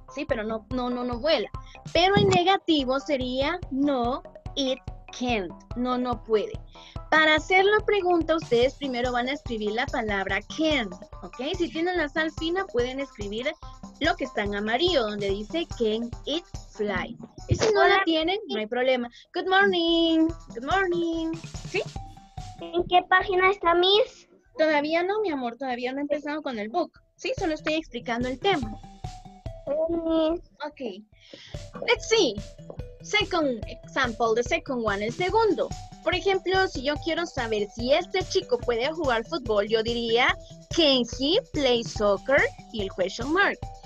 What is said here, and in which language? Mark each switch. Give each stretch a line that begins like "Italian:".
Spanish: Sí, pero no vuela. Pero en negativo sería
English: no it can't,
Spanish: no puede. Para hacer la pregunta, ustedes primero van a escribir la palabra can, ¿ok? Si tienen la sal fina, pueden escribir lo que está en amarillo, donde dice
English: can it fly.
Spanish: Y si no la tienen, no hay problema.
English: Good morning, good morning.
Spanish: ¿Sí? ¿En qué página está Miss? Todavía no, mi amor, todavía no he empezado con el book. Sí, solo estoy explicando el tema.
English: Ok. Let's see. Second example, the second one,
Spanish: el segundo. Por ejemplo, si yo quiero saber si este chico puede jugar fútbol, yo diría,
English: can he play soccer?
Spanish: Y el question mark.